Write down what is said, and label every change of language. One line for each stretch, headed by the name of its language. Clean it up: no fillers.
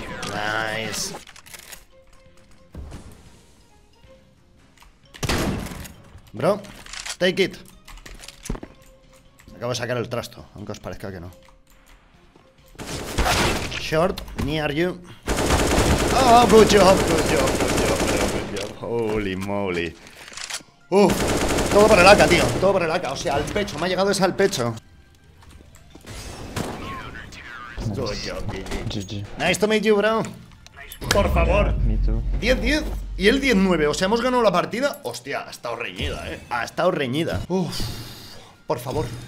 English: Nice. Bro, take it.
Spanish: Acabo de sacar el trasto, aunque os parezca que no.
English: Short, near you. Oh, good job, good job, good job, good job. Holy moly.
Spanish: Todo por el AK, tío. Todo por el AK, o sea, al pecho. Me ha llegado ese al pecho.
English: Good job, GG. Nice to meet you, bro.
Spanish: Por favor.
English: Me too. 10-10.
Spanish: Y el 10-9. O sea, hemos ganado la partida. Hostia, ha estado reñida, eh. Ha estado reñida. Por favor.